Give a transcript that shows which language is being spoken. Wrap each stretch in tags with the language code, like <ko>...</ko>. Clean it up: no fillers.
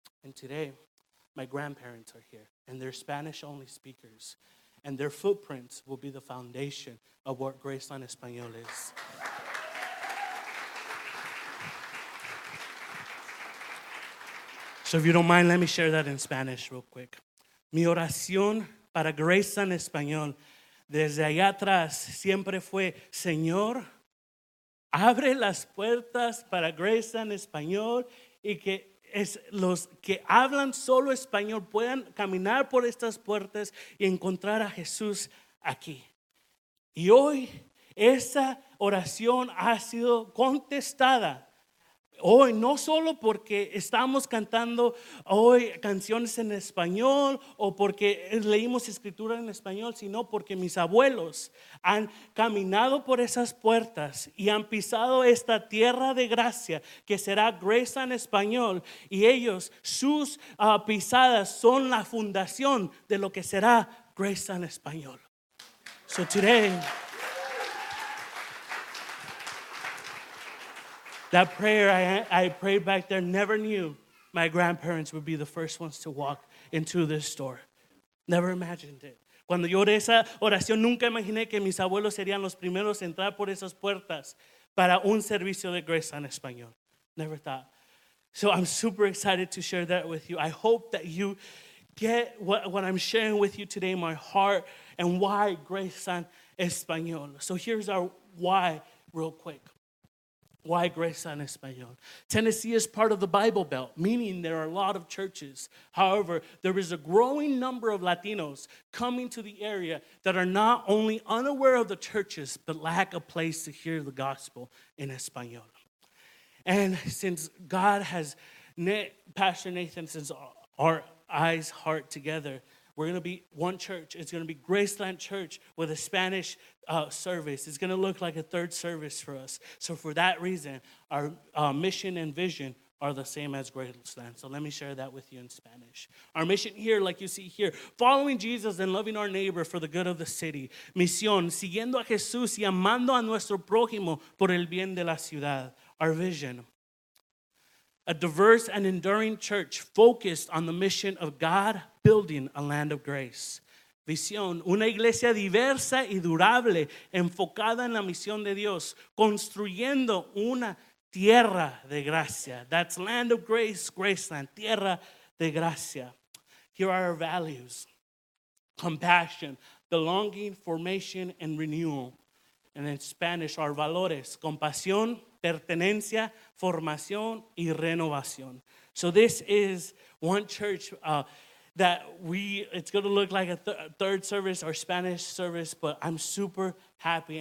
<en>And today, my grandparents are here, and they're Spanish-only speakers. And their footprints will be the foundation of what Graceland Español is. So if you don't mind, let me share that in Spanish real quick.</en> <es>Mi oración para Graceland Español desde allá atrás siempre fue, Señor, abre las puertas para Graceland Español y que es los que hablan solo español puedan caminar por estas puertas y encontrar a Jesús aquí. Y hoy esa oración ha sido contestada Hoy no solo porque estamos cantando hoy canciones en español o porque leímos escritura en español, sino porque mis abuelos han caminado por esas puertas y han pisado esta tierra de gracia que será Graceland Español, y ellos, sus pisadas son la fundación de lo que será Graceland Español.</es> <en>So today, that prayer I prayed back there, never knew my grandparents would be the first ones to walk into this store. Never imagined it.</en> <es>Cuando yo oré esa oración, nunca imaginé que mis abuelos serían los primeros a entrar por esas puertas para un servicio de Grace en Español.</es> <en>Never thought. So I'm super excited to share that with you. I hope that you get what I'm sharing with you today, my heart, and why Grace en Español. So here's our why real quick. Why Grace en Español? Tennessee is part of the Bible Belt, meaning there are a lot of churches. However, there is a growing number of Latinos coming to the area that are not only unaware of the churches, but lack a place to hear the gospel in Español. And since God has knit Pastor Nathan, since our eyes, heart together, we're going to be one church. It's going to be Graceland Church with a Spanish service. It's going to look like a third service for us. So for that reason, our mission and vision are the same as Graceland. So let me share that with you in Spanish. Our mission here, like you see here, following Jesus and loving our neighbor for the good of the city.</en> <es>Misión, siguiendo a Jesús y amando a nuestro prójimo por el bien de la ciudad.</es> <en>Our vision, a diverse and enduring church focused on the mission of God building a land of grace.</en> <es>Visión, una iglesia diversa y durable, enfocada en la misión de Dios, construyendo una tierra de gracia.</es> <en>That's land of grace, Graceland,</en> <es>tierra de gracia.</es> <en>Here are our values: compassion, belonging, formation, and renewal. And in Spanish, our</en> <es>valores: compasión, pertenencia, formación, y renovación.</es> <en>So this is one church it's going to look like a third service or Spanish service, but I'm super happy.</en>